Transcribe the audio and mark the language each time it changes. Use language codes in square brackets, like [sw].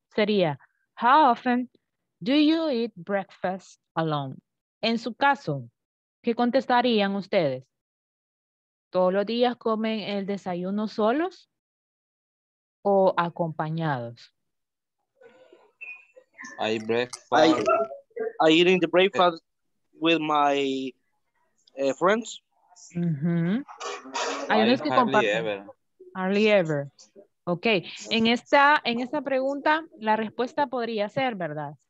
[en] Sería, how often do you eat breakfast alone? [es] En su caso, ¿qué contestarían ustedes? ¿Todos los días comen el desayuno solos o acompañados? [en] I eat breakfast. I eat in the breakfast with my friends. [es] Mm-hmm. Hay unos que comparten. [en] Hardly ever. [es] Ok, en esta pregunta la respuesta podría ser, ¿verdad?